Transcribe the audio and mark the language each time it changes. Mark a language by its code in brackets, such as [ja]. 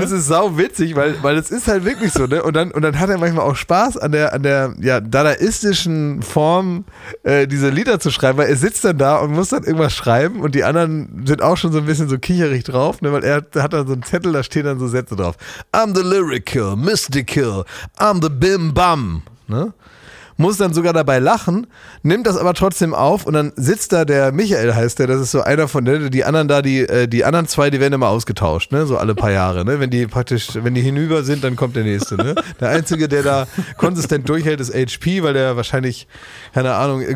[de] Das ist sau witzig, weil es ist halt wirklich so, ne? Und dann hat er manchmal auch Spaß an der ja, dadaistischen Form, diese Lieder zu schreiben, weil er sitzt dann da und muss dann irgendwas schreiben und die anderen sind auch schon so ein bisschen so kicherig drauf, ne? Weil er hat dann so einen Zettel, da stehen dann so Sätze drauf. [en] I'm the lyrical, mystical, I'm the bim-bam. [de] Ne? Muss dann sogar dabei lachen, nimmt das aber trotzdem auf, und dann sitzt da der Michael, heißt der, das ist so einer von denen, die anderen zwei, die werden immer ausgetauscht, ne? So alle paar Jahre. Ne? Wenn die hinüber sind, dann kommt der Nächste. Ne? Der Einzige, der da konsistent durchhält, ist HP, weil der wahrscheinlich, keine Ahnung, irgendwie...